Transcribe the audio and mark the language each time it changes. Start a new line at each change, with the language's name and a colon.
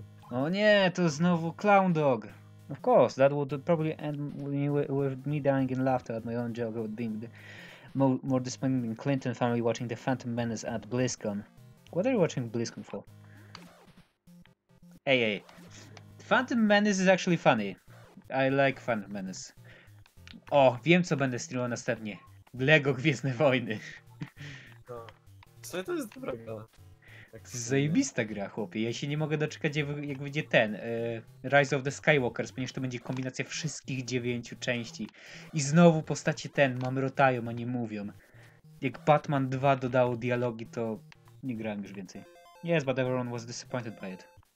Polish: O nie, to znowu
English: clown dog. Of course, that would probably end with me dying in laughter at my own joke would be more disappointing than Clinton family watching The Phantom Menace at BlizzCon. What are you watching BlizzCon for? Hey. Phantom Menace is actually funny. I like Phantom Menace.
Polish: O, wiem co będę streamował następnie. Lego Gwiezdne Wojny. Co to jest dobra gra. Zajebista gra, chłopie. Ja się nie mogę doczekać, jak będzie ten Rise of the Skywalkers, ponieważ to będzie kombinacja wszystkich 9 części. I znowu postacie ten, mamy rotają, a nie mówią. Jak Batman 2 dodało dialogi, to nie grałem już więcej.
English: Yes, but everyone was disappointed by it.